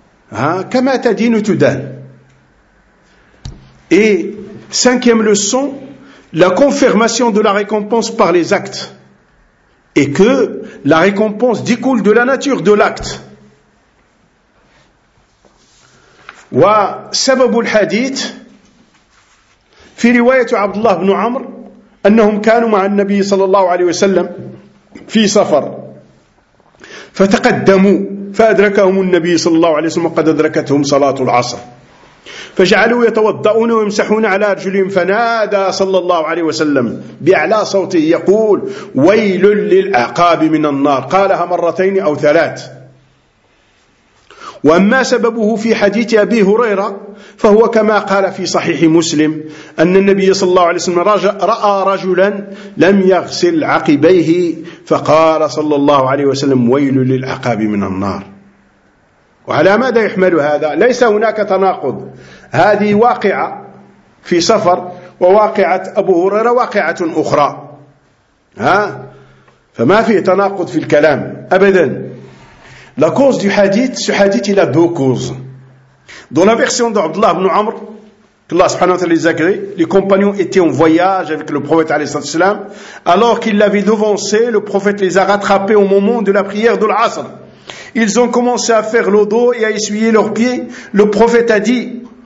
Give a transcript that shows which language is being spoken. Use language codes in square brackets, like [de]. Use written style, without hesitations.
[fr] Hein, comme a dit Nutudan. Et cinquième leçon, la confirmation de la récompense par les actes. Et que la récompense découle de la nature de l'acte. [ar] Wa sabab al-hadith في رواية عبد الله بن عمر أنهم كانوا مع النبي صلى الله عليه وسلم في سفر فتقدموا فأدركهم النبي صلى الله عليه وسلم وقد أدركتهم صلاة العصر فجعلوا يتوضؤون ويمسحون على أرجلهم فنادى صلى الله عليه وسلم بأعلى صوته يقول ويل للأعقاب من النار قالها مرتين أو ثلاث وأما سببه في حديث أبي هريرة فهو كما قال في صحيح مسلم أن النبي صلى الله عليه وسلم رأى رجلا لم يغسل عقبيه فقال صلى الله عليه وسلم ويل للعقاب من النار. وعلى ماذا يحمل هذا؟ ليس هناك تناقض، هذه واقعة في سفر وواقعة أبو هريرة واقعة أخرى، ها؟ فما في تناقض في الكلام أبدا. [fr] La cause du hadith, ce hadith il a deux causes. Dans la version d'Abdullah ibn Amr, qu'Allah subhanahu wa ta'ala les agrée, les compagnons étaient en voyage avec le prophète alayhi salatu wassalam. Alors qu'ils l'avaient devancé, le prophète les a rattrapés au moment de la prière de l'Asr. Ils ont commencé à faire l'eau d'eau et à essuyer leurs pieds. Le prophète a dit,